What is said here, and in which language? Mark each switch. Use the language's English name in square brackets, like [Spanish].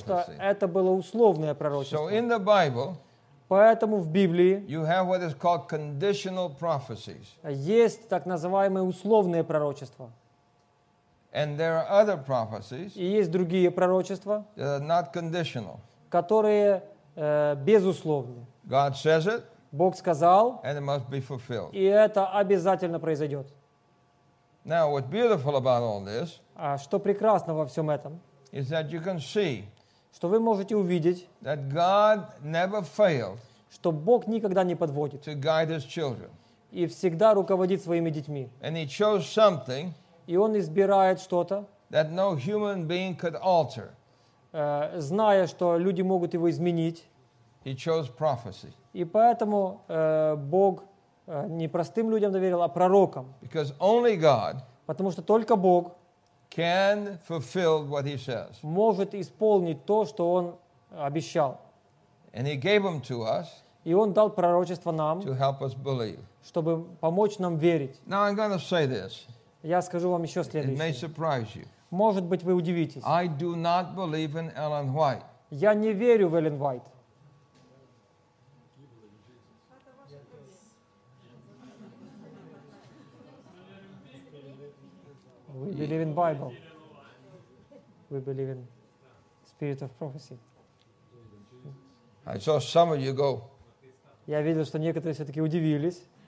[Russian] Что это было условное пророчество. [English] So in the Bible, [Russian] поэтому в Библии [English] you have what is called conditional prophecies. [Russian] Есть так называемые условные пророчества. [English] And there are other prophecies, [Russian] и есть другие пророчества, [English] that are not conditional. [Russian] Которые безусловны. [English] God says it, [Russian] Бог сказал, [English] and it must be fulfilled. [Russian] И это обязательно произойдет. [English] Now, what's beautiful about all this, [Russian] что прекрасно во всем этом, [English] is that you can see, [Russian] что вы можете увидеть, [English] that God never failed, [Russian] что Бог никогда не подводит, [English] to guide His children, [Russian] и всегда руководит своими детьми, [English] and He chose something, [Russian] и Он избирает что-то, [English] that no human being could alter, [Russian] зная, что люди могут его изменить. [English] He chose prophecy. [Russian] И поэтому Бог не простым людям доверил, а пророкам. [English] Because only God, [Russian] потому что только Бог, [English] can fulfill what He says, [Russian] может исполнить то, что Он обещал. [English] And He gave them to us, [Russian] и Он дал пророчество нам, [English] to help us believe, [Russian] чтобы помочь нам верить. [English] Now I'm going to say this. [Russian] Я скажу вам еще следующее. [English] It may surprise you. [Russian] Может быть, вы удивитесь. [English] I do not believe in Ellen White. [Russian] Я не верю в Эллен Уайт. [English] We believe in Bible. We believe in spirit of prophecy. I saw some of you go. [Russian] Я видел, что некоторые все-таки удивились.